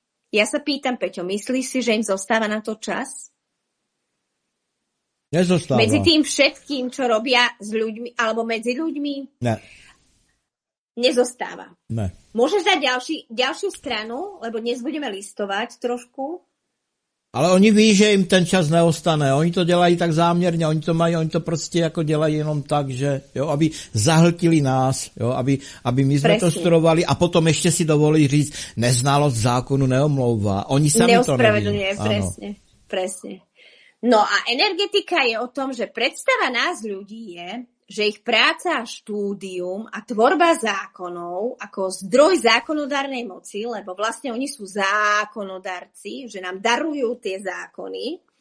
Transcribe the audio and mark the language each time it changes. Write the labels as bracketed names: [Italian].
[Slovak] Ja sa pýtam, Peťo, myslíš si, že im zostáva na to čas? Nezostáva. Medzi tým všetkým, čo robia s ľuďmi, alebo medzi ľuďmi? [Czech] Ne. [Slovak] Nezostáva. [Czech] Ne. [Slovak] Môžeš dať ďalšiu stranu, lebo dnes budeme listovať trošku. [Czech] Ale oni ví, že im ten čas neostane. Oni to dělají tak záměrně, oni to prostě jako dělají jenom tak, že jo, aby zahltili nás, jo, aby my jsme to studovali a potom ještě si dovolí říct, neznalost zákonu neomlouvá. Oni sami to neví. [Slovak] Neospravedlňuje, přesně. No a energetika je o tom, že predstava nás ľudí je, že ich práca a štúdium a tvorba zákonov ako zdroj zákonodárnej moci, lebo vlastne oni sú zákonodarci, že nám darujú tie zákony.